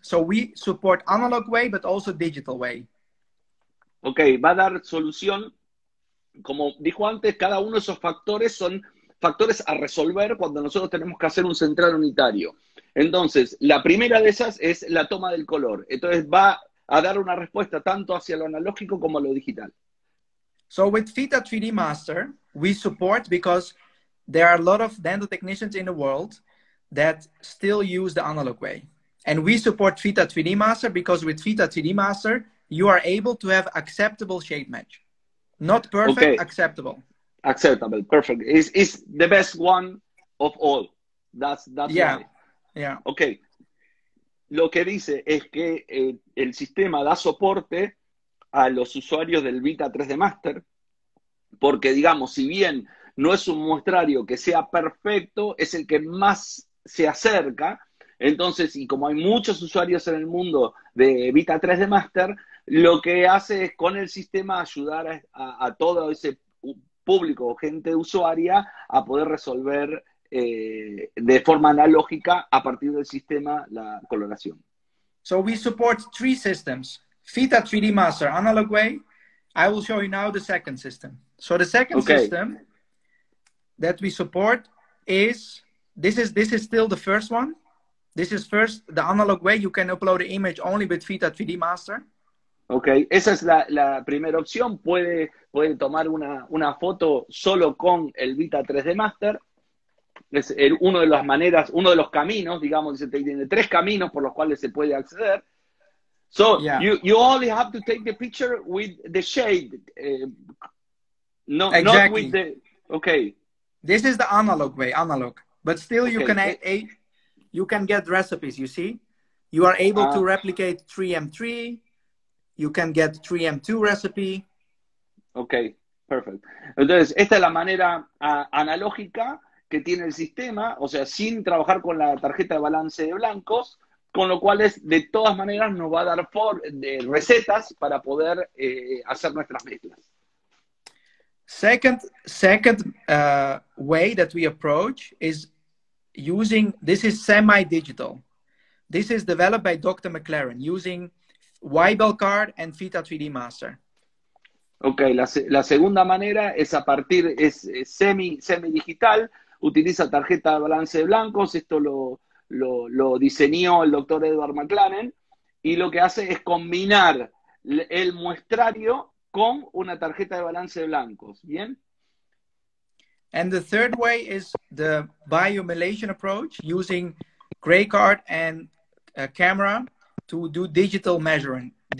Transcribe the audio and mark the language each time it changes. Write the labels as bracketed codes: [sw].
[en] So we support analog way, but also digital way. [es] Okay, va a dar solución. Como dijo antes, cada uno de esos factores son factores a resolver cuando nosotros tenemos que hacer un central unitario. Entonces, la primera de esas es la toma del color. Entonces, va a dar una respuesta tanto hacia lo analógico como a lo digital. [en] So, with Fita 3D Master, we support because there are a lot of dental technicians in the world that still use the analog way. And we support Fita 3D Master because with Fita 3D Master, you are able to have acceptable shade match. Not perfect, okay. Acceptable, perfect. It's the best one of all. That's yeah, right. Yeah. Okay. [es] Lo que dice es que el sistema da soporte a los usuarios del Vita 3D Master, porque digamos, si bien no es un muestrario que sea perfecto, es el que más se acerca. Entonces, y como hay muchos usuarios en el mundo de Vita 3D Master, lo que hace es con el sistema ayudar a todo ese público o gente usuaria a poder resolver de forma analógica a partir del sistema la coloración. [en] So we support three systems. Fita 3D Master Analog Way. I will show you now the second system. So the second okay. system that we support is this is still the first one. This is first the analog way. You can upload an image only with Fita 3D Master. [es] Okay, esa es la primera opción. Puede tomar una foto solo con el Vita 3D Master. Es uno de los caminos, digamos, dice, tiene tres caminos por los cuales se puede acceder. [en] So, yeah. you only have to take the picture with the shade. No, exactly. Not with the, okay. This is the analog way, analog. But still you okay. can you can get recipes, you see? You are able to replicate 3M3. You can get 3M2 recipe. Okay, perfect. [es] Entonces, esta es la manera analógica que tiene el sistema, o sea, sin trabajar con la tarjeta de balance de blancos, con lo cual es, de todas maneras, nos va a dar recetas para poder hacer nuestras mezclas. [en] Second way that we approach is using, this is semi-digital. This is developed by Dr. McLaren, using Weibel card and Fita 3D Master. [es] Okay, la segunda manera es semi digital, utiliza tarjeta de balance de blancos, esto lo diseñó el doctor Edward McLaren, y lo que hace es combinar el muestrario con una tarjeta de balance de blancos, ¿bien? [en] And the third way is the biomelation approach, using gray card and a camera to do digital measuring.